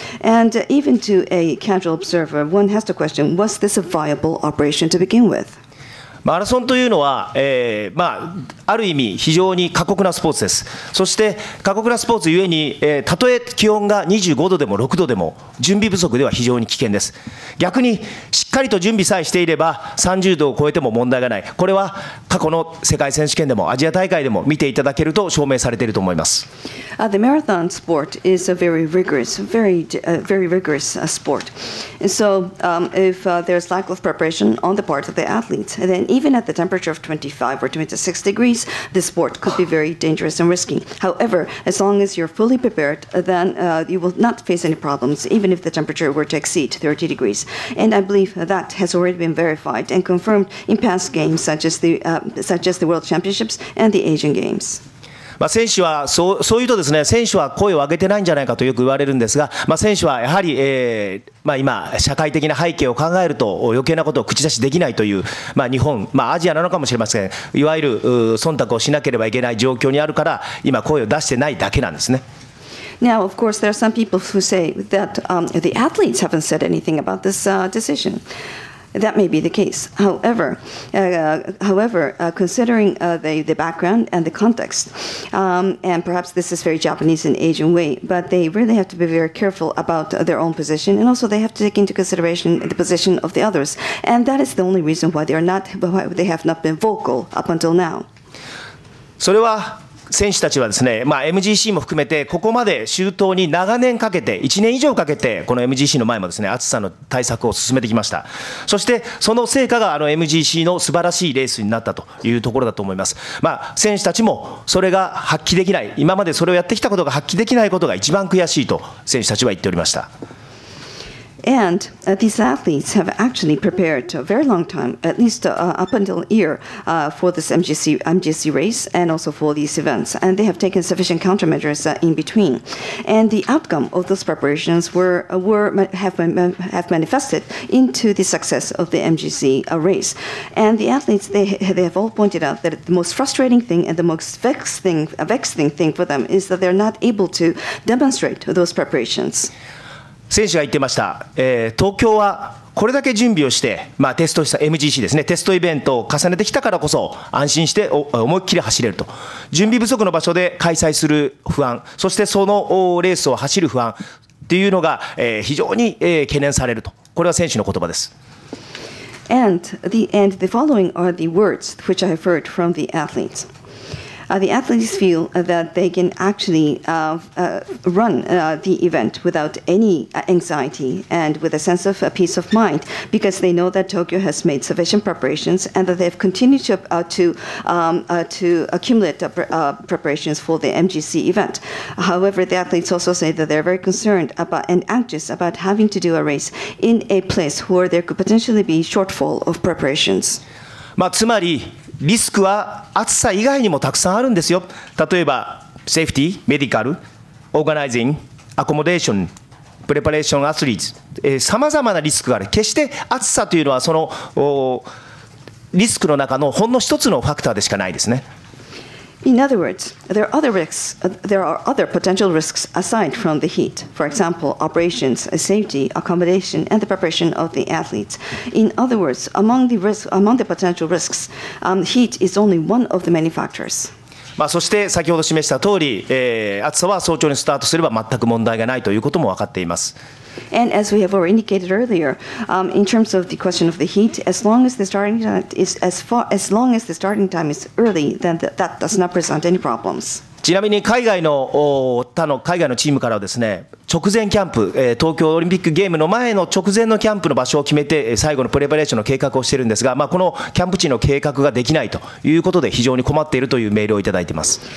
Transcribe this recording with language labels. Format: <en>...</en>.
<en>And even to a casual observer, one has to question, was this a viable operation to begin with?</en> <ja>マラソンというのは、ある意味非常に過酷なスポーツです。そして過酷なスポーツゆえに、たとえ気温が25度でも6度でも準備不足では非常に危険です。逆にしっかりと準備さえしていれば30度を超えても問題がない。これは過去の世界選手権でもアジア大会でも見ていただけると証明されていると思います。</ja> <en>The marathon sport is a very rigorous, very, very rigorous sport. And so, if there's lack of preparation on the part of the athletes, then even at the temperature of 25 or 26 degrees, the sport could be very dangerous and risky. However, as long as you're fully prepared, then you will not face any problems, even if the temperature were to exceed 30 degrees. And I believe that has already been verified and confirmed in past games, such as the World Championships and the Asian Games.</en> <ja>まあ、選手はそう言うとですね、選手は声を上げてないんじゃないかとよく言われるんですが、まあ、選手はやはり、今社会的な背景を考えると余計なことを口出しできないという、まあ、日本、まあ、アジアなのかもしれません、いわゆる忖度をしなければいけない状況にあるから今声を出してないだけなんですね。</ja> <en>Now, of course, there are some people who say that the athletes haven't said anything about this decision. That may be the case. However, considering the background and the context, and perhaps this is very Japanese and Asian way, but they really have to be very careful about their own position, and also they have to take into consideration the position of the others. And that is the only reason why they have not been vocal up until now.</en> <ja>それは選手たちはですね、まあ、MGC も含めてここまで周到に長年かけて1年以上かけてこの MGC の前もですね、暑さの対策を進めてきました。そしてその成果があの MGC の素晴らしいレースになったというところだと思います。まあ、選手たちもそれが発揮できない、今までそれをやってきたことが発揮できないことが一番悔しいと選手たちは言っておりました。</ja> <en>And these athletes have actually prepared a very long time, at least up until a year, for this MGC race and also for these events. And they have taken sufficient countermeasures in between. And the outcome of those preparations have manifested into the success of the MGC race. And the athletes, they have all pointed out that the most frustrating thing and the most vexing thing for them is that they're not able to demonstrate those preparations.</en> <ja>選手が言ってました、東京はこれだけ準備をして、まあ、テストした MGC ですね、テストイベントを重ねてきたからこそ安心して思いっきり走れると。準備不足の場所で開催する不安、そしてそのレースを走る不安っていうのが、非常に、懸念されると。これは選手の言葉です。</ja> <en>And the following are the words which I have heard from the athletes. The athletes feel that they can actually run the event without any anxiety and with a sense of peace of mind because they know that Tokyo has made sufficient preparations and that they have continued to accumulate preparations for the MGC event. However, the athletes also say that they're very concerned about and anxious about having to do a race in a place where there could potentially be shortfall of preparations.</en> <ja>まあ、つまりリスクは暑さ以外にもたくさんあるんですよ。例えばセーフティー、メディカル、オーガナイジング、アコモデーション、プレパレーションアスリート、さまざまなリスクがある。決して暑さというのはそのリスクの中のほんの一つのファクターでしかないですね。</ja> <en>In other words, there are other potential risks aside from the heat. For example, operations, safety, accommodation, and the preparation of the athletes. In other words, among the potential risks, heat is only one of the many factors.</en> <ja>まあ、そして先ほど示した通り、暑さは早朝にスタートすれば全く問題がないということも分かっています。</ja> <en>And as we have already indicated earlier, in terms of the question of the heat, as long as the starting time is early, then that does not present any problems.</en> <ja>ちなみに海外のチームからはですね、直直前キャンプ、東京オリンピックゲームの前の直前のキャンプの場所を決めて最後のプレパレーションの計画をしているんですが、まあ、このキャンプ地の計画ができないということで非常に困っているというメールをいただいています。</ja>